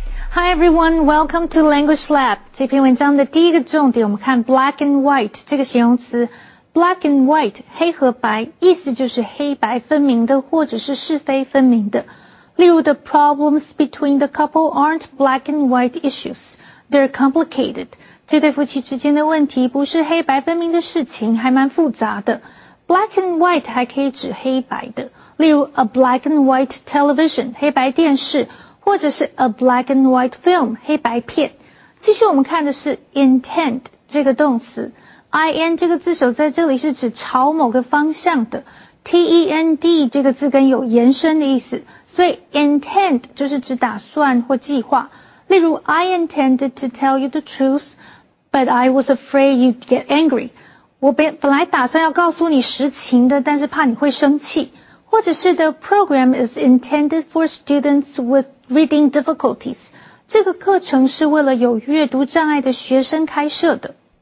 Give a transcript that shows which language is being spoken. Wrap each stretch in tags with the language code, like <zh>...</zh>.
<en>Hi everyone, welcome to Language Lab.</en> <zh>这篇文章的第一个重点，我们看 black and white 这个形容词。 black and white 黑和白，意思就是黑白分明的，或者是是非分明的。例如</zh> <en>，the problems between the couple aren't black and white issues; they're complicated.</en> <zh>这对夫妻之间的问题不是黑白分明的事情，还蛮复杂的。 black and white 还可以指黑白的，例如</zh> <en>a black and white television</en> <zh>黑白电视。或者是</zh> <en>a black and white film,</en> <zh>黑白片。继续我们看的是 intent, 这个动词。 in 这个字首在这里是指朝某个方向的。 tend 这个字根有延伸的意思。所以 intent 就是指打算或计划。例如</zh> <en>I intended to tell you the truth, but I was afraid you'd get angry.</en> <zh>我本来打算要告诉你实情的，但是怕你会生气。或者是</zh> <en>the program is intended for students with reading difficulties.</en> <zh>这个课程是为了有阅读障碍的学生开设的。</zh>